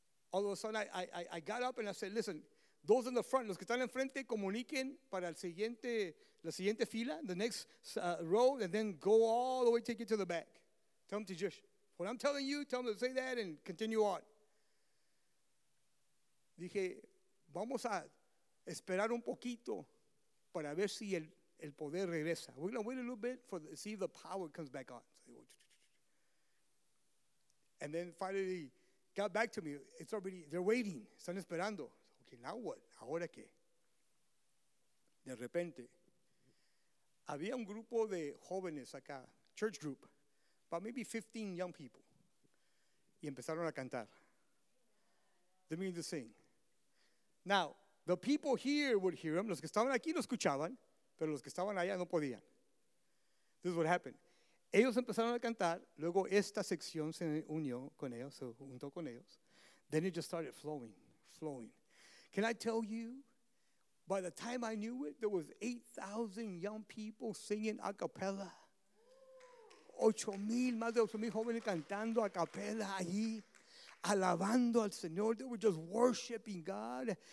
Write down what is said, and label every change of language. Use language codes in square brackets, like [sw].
[en] All of a sudden, I got up and I said, listen, those in the front, [es] los que están enfrente, comuniquen para la siguiente fila, [en] the next row, and then go all the way, take it to the back. Tell them to just, what I'm telling you, tell them to say that and continue on. [es] Dije, vamos a esperar un poquito para ver si el poder regresa. [en] We're going to wait a little bit for see if the power comes back on. And then finally got back to me. It's already, they're waiting. [es] Están esperando. [en] Okay, now what? [es] ¿Ahora qué? De repente, había un grupo de jóvenes acá, [en] church group, about maybe 15 young people. [es] Y empezaron a cantar. [en] They began to sing. Now, the people here would hear them. [es] Los que estaban aquí lo escuchaban, pero los que estaban allá no podían. [en] This is what happened. [es] Ellos empezaron a cantar, luego esta sección se unió con ellos, se juntó con ellos. [en] Then it just started flowing. Can I tell you, by the time I knew it, there was 8,000 young people singing a cappella. [es] 8,000, más de 8,000 jóvenes cantando a cappella allí. Alabando al Señor, [en] they were just worshiping God.